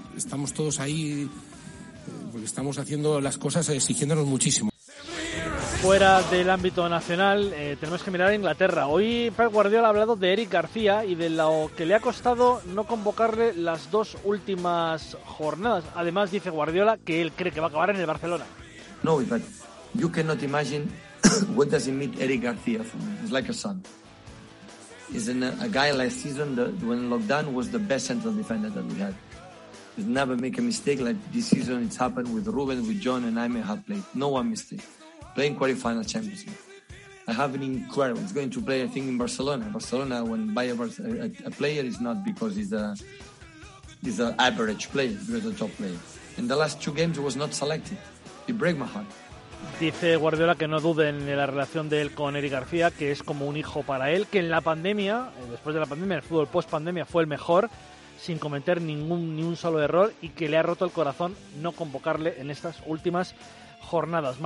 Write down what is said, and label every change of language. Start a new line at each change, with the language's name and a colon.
Spanish: Estamos todos ahí porque estamos haciendo las cosas exigiéndonos muchísimo. Fuera del ámbito nacional, tenemos que mirar a Inglaterra. Hoy Pep Guardiola ha hablado de Eric García y de lo que le ha costado no convocarle las dos últimas jornadas. Además, dice Guardiola que él cree que va a acabar en el Barcelona.
English: No, but you cannot imagine what does it mean Eric García for me. It's like a son. He's a guy last season that when lockdown was the best central defender that we had. He's never make a mistake like this season it's happened with Ruben, with John and I may have played. No one mistake. Playing quarterfinal Champions League. I have an incredible, he's going to play, I think, in Barcelona. Barcelona, when buy a player, is not because he's an average player, he's a top player. In the last two games, he was not selected. It break my heart.
Spanish: Dice Guardiola que no duden en la relación de él con Eric García, que es como un hijo para él, que en la pandemia, después de la pandemia, el fútbol post-pandemia fue el mejor, sin cometer ni un solo error, y que le ha roto el corazón no convocarle en estas últimas jornadas.